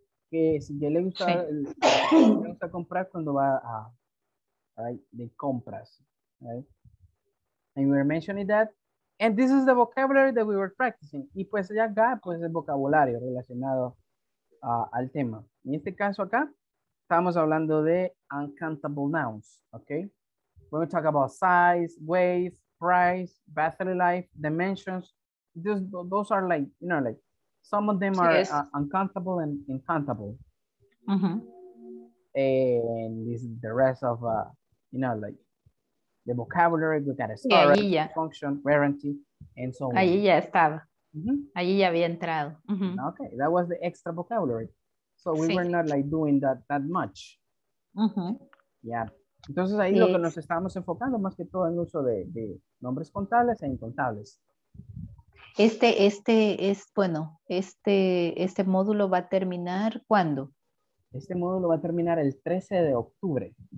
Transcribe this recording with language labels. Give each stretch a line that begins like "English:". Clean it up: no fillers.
Spanish: Que si ya le gusta, le gusta comprar cuando va a...
English: Right, the compras, right? And we were mentioning that. And this is the vocabulary that we were practicing.
Spanish: Y pues ya acá, pues el vocabulario relacionado al tema. En este caso acá, estamos hablando de uncountable nouns, okay? When we talk about size, weight, price, battery life, dimensions, those are like, you know, like some of them are uncountable and incountable. Mm-hmm.
English: And this is the rest of... you know, like the vocabulary, we got a story, function, warranty, and so on.
Spanish: Ahí ya estaba. Mm-hmm. Ahí ya había entrado. Mm-hmm.
English: Okay, that was the extra vocabulary. So we were not like doing that much. Mm-hmm. Yeah,
Spanish: Entonces ahí lo que nos estamos enfocando más que todo en uso de nombres contables e incontables. Este módulo va a terminar ¿cuándo? Este módulo va a terminar el 13 de octubre.